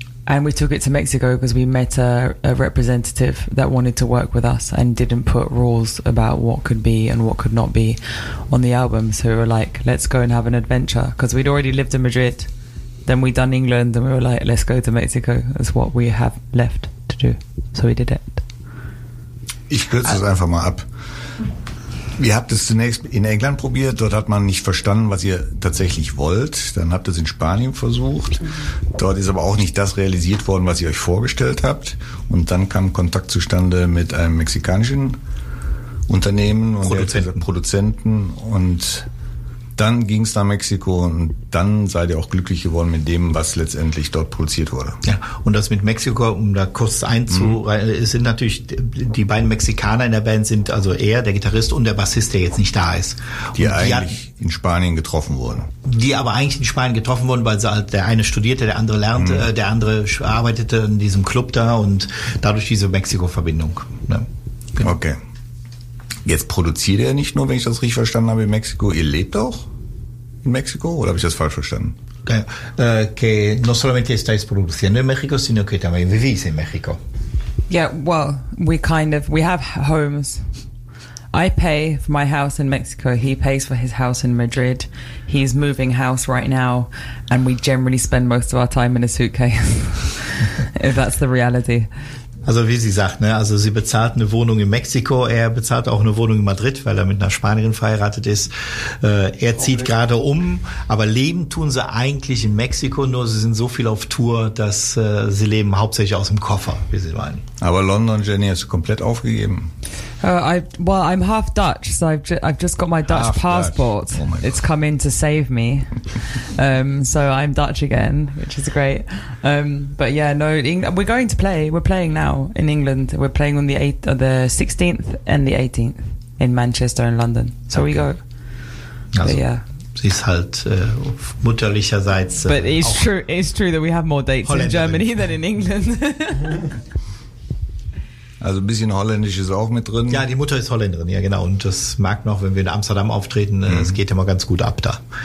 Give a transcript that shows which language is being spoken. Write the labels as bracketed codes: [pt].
[en] And we took it to Mexico because we met a representative that wanted to work with us and didn't put rules about what could be and what could not be on the album. So we were like, let's go and have an adventure, because we'd already lived in Madrid. Then we'd done England and we were like, let's go to Mexico. That's what we have left to do. So we did it. [de] Ich kürze es einfach mal ab. Ihr habt es zunächst in England probiert, dort hat man nicht verstanden, was ihr tatsächlich wollt. Dann habt ihr es in Spanien versucht, dort ist aber auch nicht das realisiert worden, was ihr euch vorgestellt habt. Und dann kam Kontakt zustande mit einem mexikanischen Unternehmen und Produzenten. Und dann ging es nach Mexiko und dann seid ihr auch glücklich geworden mit dem, was letztendlich dort produziert wurde. Ja, und das mit Mexiko, um da kurz einzureihen, es sind natürlich die beiden Mexikaner in der Band, sind also er, der Gitarrist, und der Bassist, der jetzt nicht da ist. In Spanien getroffen wurden. Die aber eigentlich in Spanien getroffen wurden, weil sie halt, der eine studierte, der andere lernte, der andere arbeitete in diesem Club da, und dadurch diese Mexiko-Verbindung. Ne? Genau. Okay. Jetzt produziert er nicht nur, wenn ich das richtig verstanden habe, in Mexiko. Ihr lebt auch in Mexiko oder habe ich das falsch verstanden? [es] Que no solamente estáis produciendo en México, sino que también vivís en México. [en] Yeah, well, we kind of, we have homes. I pay for my house in Mexico. He pays for his house in Madrid. He's moving house right now. And we generally spend most of our time in a suitcase. If that's the reality. [de] Also wie sie sagt, ne? Also sie bezahlt eine Wohnung in Mexiko, er bezahlt auch eine Wohnung in Madrid, weil er mit einer Spanierin verheiratet ist. Er zieht gerade um, aber leben tun sie eigentlich in Mexiko, nur sie sind so viel auf Tour, dass sie leben hauptsächlich aus dem Koffer, wie sie meinen. Aber London, Jenny, hast du komplett aufgegeben? [en] Well, I'm half Dutch, so I've just got my Dutch passport. Oh, it's come in to save me. So I'm Dutch again, which is great. But yeah, no, we're going to play. We're playing now in England. We're playing on the 8th, the 16th and the 18th in Manchester and London. So okay. We go. Also, but yeah. [de] Sie ist halt mutterlicherseits. [en] But it's true that we have more dates in Germany than in England. [de] Also ein bisschen Holländisch ist auch mit drin. Ja, die Mutter ist Holländerin, ja genau. Und das merkt man auch, wenn wir in Amsterdam auftreten, es geht immer ganz gut ab da.